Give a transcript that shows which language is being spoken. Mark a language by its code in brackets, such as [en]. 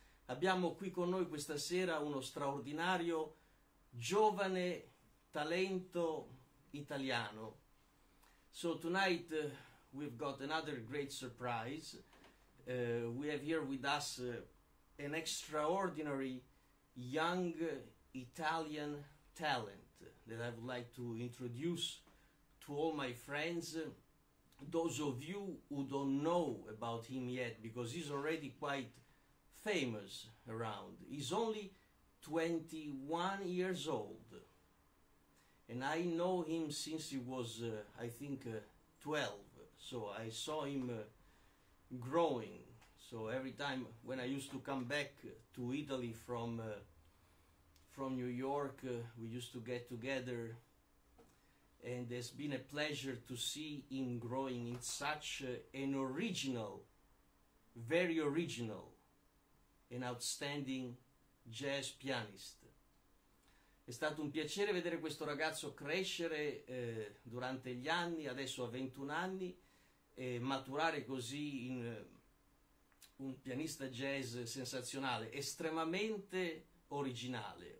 [it] Abbiamo qui con noi questa sera uno straordinario giovane talento italiano. [en] So tonight we've got another great surprise. We have here with us an extraordinary young Italian talent that I would like to introduce to all my friends. Those of you who don't know about him yet, because he's already quite famous around. He's only 21 years old, and I know him since he was, I think, 12. So I saw him growing. So every time when I used to come back to Italy from New York, we used to get together, and it's been a pleasure to see him growing in such an original, very original, an outstanding jazz pianist. [it] È stato un piacere vedere questo ragazzo crescere durante gli anni, adesso ha 21 anni, e maturare così in un pianista jazz sensazionale, estremamente originale.